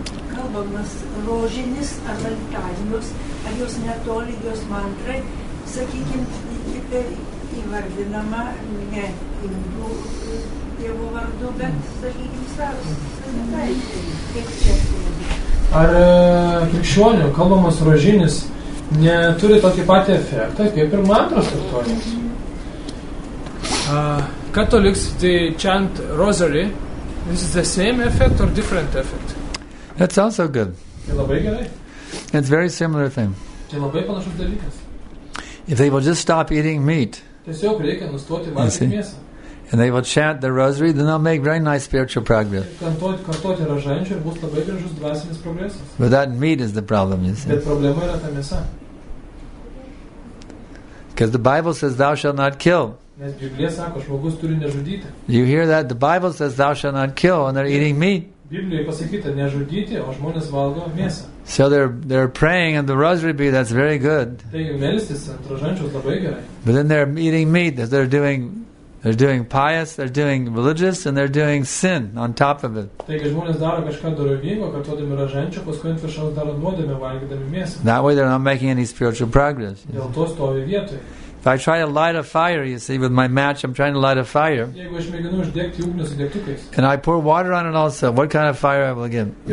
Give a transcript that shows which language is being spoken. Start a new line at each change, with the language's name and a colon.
Lithuanian: Kalbamas rožinis ar valtainius, ar jos netolygios mantrai, sakykime, įvardinama ne indų dievų vardu, bet sakykime, sarus. Ar krikščionių kalbamas rožinis neturi tokį patį efektą, kaip ir mantros kartonės?
English: Catholics, they chant rosary. This is the same effect or different effect? That's also good. It's a very similar thing. If they will just stop eating meat, and they will chant the rosary, then they'll make very nice spiritual progress. But that meat is the problem, you see. Because the Bible says, thou shalt not kill. You hear that? The Bible says, thou shalt not kill, and they're eating meat.
Lithuanian: Biblijoje pasakyta nežudyti, o žmonės valgo mėsą.
English: So they're praying in the rosary bead, that's very good.
Lithuanian: Taigi melstis ant rožančiaus labai gerai.
English: But then they're eating meat, they're doing pious, they're doing religious, and they're doing sin on top of it.
Lithuanian: Taigi žmonės daro kažką dorovingo, kartuodami rožančių, paskui ant viršaus daro nuodėmę, valgydami mėsą.
English: That way they're not making any spiritual progress.
Lithuanian: Dėl to stovi vietoj.
English: If I try to light a fire, you see, with my match, I'm trying to light a fire. And I pour water on it also, what kind of fire I will get?